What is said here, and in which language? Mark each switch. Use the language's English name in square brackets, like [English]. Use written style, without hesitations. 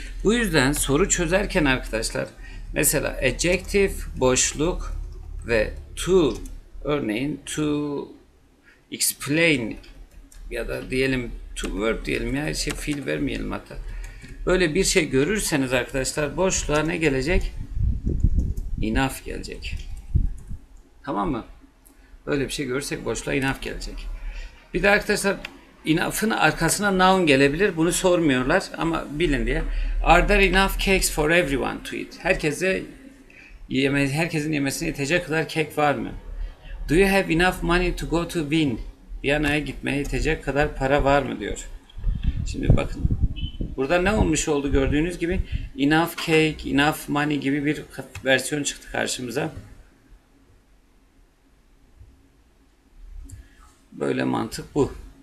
[Turkish] Bu yüzden soru çözerken arkadaşlar, mesela adjective, boşluk ve to, örneğin to explain ya da diyelim to verb diyelim, ya şey fiil vermeyelim hatta. Böyle bir şey görürseniz arkadaşlar, boşluğa ne gelecek? Enough gelecek. Tamam mı? Böyle bir şey görürsek boşluğa enough gelecek. Bir de arkadaşlar enough'ın arkasına noun gelebilir. Bunu sormuyorlar ama bilin diye. [English] Are there enough cakes for everyone to eat? [Turkish] Herkesin yemesine yetecek kadar kek var mı? [English] Do you have enough money to go to Wien? [Turkish] Viyana'ya gitmeye yetecek kadar para var mı diyor. Şimdi bakın. Burada ne olmuş oldu gördüğünüz gibi? [English] Enough cake, enough money [Turkish] gibi bir versiyon çıktı karşımıza. Böyle mantık bu.